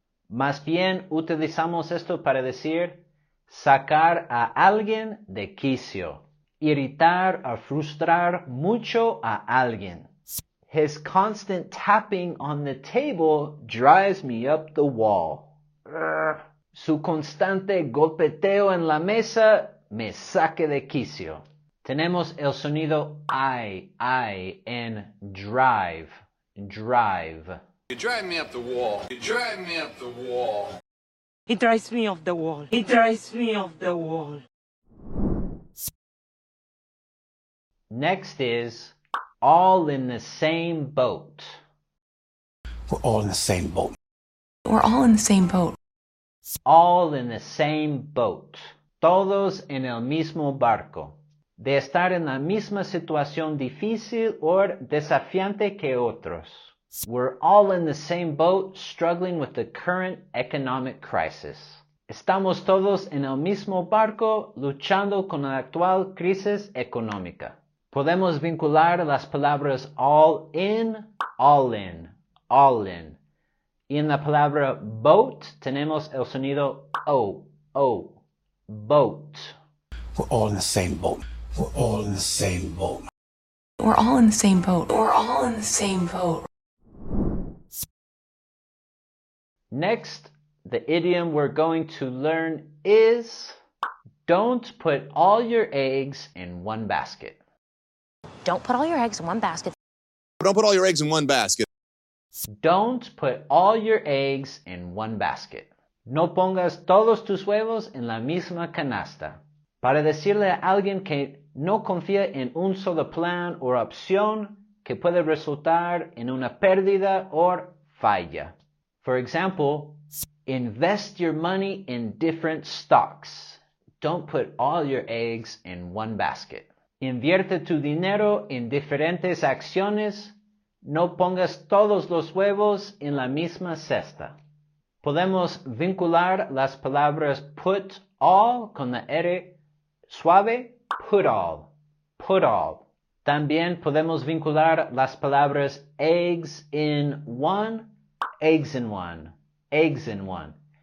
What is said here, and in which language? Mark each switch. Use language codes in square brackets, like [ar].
[es] Más bien utilizamos esto para decir sacar a alguien de quicio. Irritar o frustrar mucho a alguien. [en] His constant tapping on the table drives me up the wall. [es] Su constante golpeteo en la mesa me saque de quicio. Tenemos el sonido I en drive, drive. [en] You drive me up the wall. You drive me up the wall. He drives me off the wall. He drives me off the wall. Next is all in the same boat. We're all in the same boat. We're all in the same boat. All in the same boat. [es] Todos en el mismo barco. De estar en la misma situación difícil o desafiante que otros. [en] We're all in the same boat struggling with the current economic crisis. [es] Estamos todos en el mismo barco luchando con la actual crisis económica. Podemos vincular las palabras all in, all in, all in. Y en la palabra boat tenemos el sonido o, o, boat. [en] We're all in the same boat. We're all in the same boat. We're all in the same boat. We're all in the same boat. Next, the idiom we're going to learn is don't put all your eggs in one basket. Don't put all your eggs in one basket. Don't put all your eggs in one basket. Don't put all your eggs in one basket. [es] No pongas todos tus huevos en la misma canasta. Para decirle a alguien que no confía en un solo plan o opción que puede resultar en una pérdida o falla. [en] For example, invest your money in different stocks. Don't put all your eggs in one basket. [es] Invierte tu dinero en diferentes acciones. No pongas todos los huevos en la misma cesta. Podemos vincular las palabras put all con la R suave. [en] Put all. Put all. [es] También podemos vincular las palabras eggs in one. [en] Eggs in one. Eggs in one.